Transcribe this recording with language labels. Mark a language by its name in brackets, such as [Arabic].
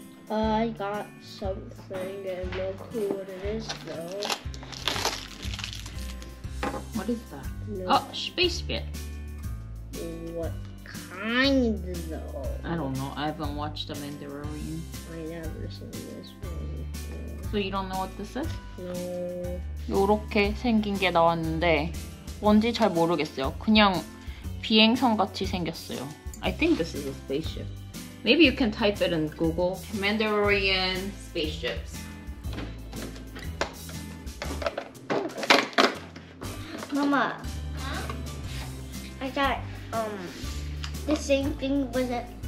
[English] I got something and no clue what it is though. What is that? No. Oh, space bit. What kind though? I don't know. I haven't watched The Mandalorian. I never seen this one. So you don't know what this is? No. [Korean] 요렇게 생긴 게 나왔는데 뭔지 잘 모르겠어요. 그냥 비행선 같이 생겼어요. [English] I think this is a spaceship. Maybe you can type it in Google. Mandalorian spaceships. Mama. Huh? I got the same thing with it.